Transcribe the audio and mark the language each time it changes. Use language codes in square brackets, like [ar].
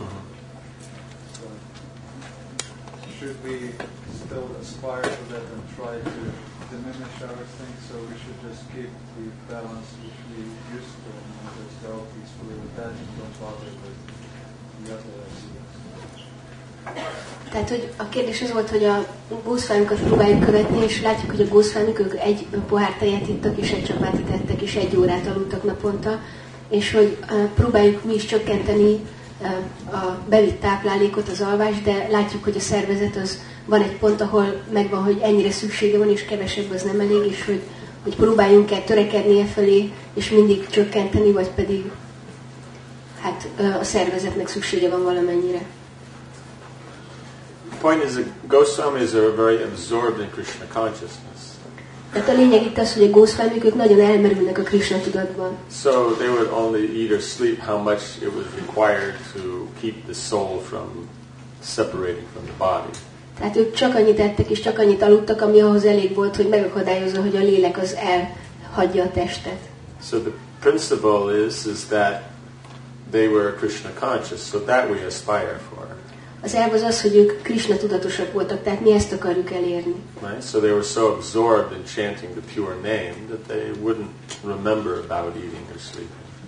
[en] So should we still aspire to that and try to diminish our things, so we should just keep the balance which we used to and just go peacefully with that and don't bother with the other ideas. [hu] Tehát, hogy a kérdés az volt, hogy a gószfánokat próbáljuk követni, és látjuk, hogy a gószfánok, ők egy pohár tejet ittak, és egy csapátit ettek, és egy órát aludtak naponta, és hogy próbáljuk mi is csökkenteni a bevitt táplálékot, az alvás, de látjuk, hogy a szervezet az van egy pont, ahol megvan, hogy ennyire szüksége van, és kevesebb az nem elég, és hogy próbáljunk el törekedni e felé, és mindig csökkenteni, vagy pedig hát a szervezetnek szüksége van valamennyire. [en] Point is, the Goswamis are very absorbed in Krishna consciousness. [hu] Tehát a lényeg itt az, hogy a gószfámik, ők nagyon elmerülnek a Krishna tudatban. [en] So they would only eat or sleep how much it was required to keep the soul from separating from the body. [hu] Tehát ők csak annyit ettek és csak annyit aludtak, ami ahhoz elég volt, hogy megakadályozza, hogy a lélek az elhagyja a testet. [en] So the principle is that they were Krishna conscious, so that we aspire for. [hu] Az elv az, hogy ők Krishna tudatosak voltak, tehát mi ezt akarjuk elérni. [en] Right? So they were so absorbed in chanting the pure name that they wouldn't remember about eating or sleeping.